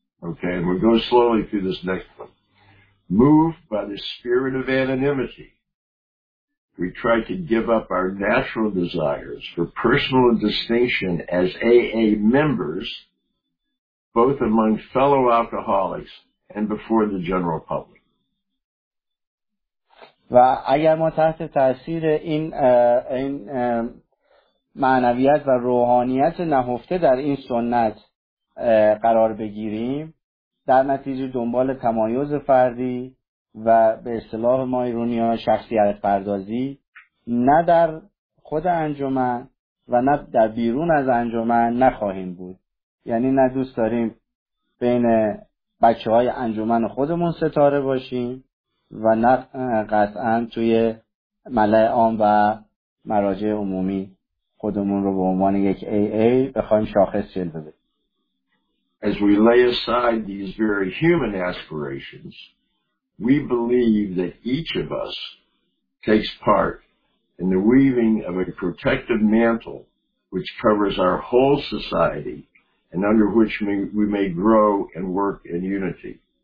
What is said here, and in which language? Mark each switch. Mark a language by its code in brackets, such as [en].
[en] Okay, we'll go slowly through this next one. Moved by the spirit of anonymity, we try to give up our natural desires for personal distinction as AA members, both among fellow alcoholics and before the general public. [fa] و اگر ما تحت تأثیر این معنویت و روحانیت نهفته در این سنت قرار بگیریم، در نتیجه دنبال تمایز فردی و به اصطلاح ما ایرانی ها شخصیت پردازی نه در خود انجمن و نه در بیرون از انجمن نخواهیم بود، یعنی نه دوست داریم بین بچه های انجمن خودمون ستاره باشیم و نه قطعا توی ملأ عام و مراجع عمومی خودمون رو به عنوان یک AA بخواهیم شاخص جلوه بدیم. [en] As we lay aside these very human aspirations, we believe that each of us takes part in the weaving of a protective mantle which covers our whole society and under which we may grow and work in unity.